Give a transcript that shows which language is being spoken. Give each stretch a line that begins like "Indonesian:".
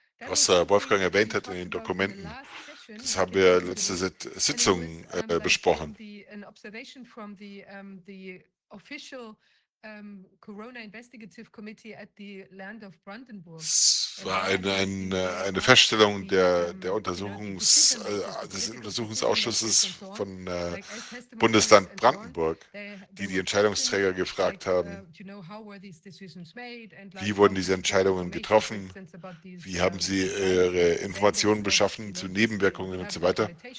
German: Was Wolfgang erwähnt hat in den Dokumenten, das haben wir letzte Sitzung besprochen.
English: An observation from the official Corona Investigative Committee at the Land of Brandenburg.
German: Es war eine Feststellung der des Untersuchungsausschusses von Bundesland Brandenburg, die die Entscheidungsträger gefragt haben, wie wurden diese Entscheidungen getroffen, wie haben sie ihre Informationen beschaffen zu Nebenwirkungen und so weiter.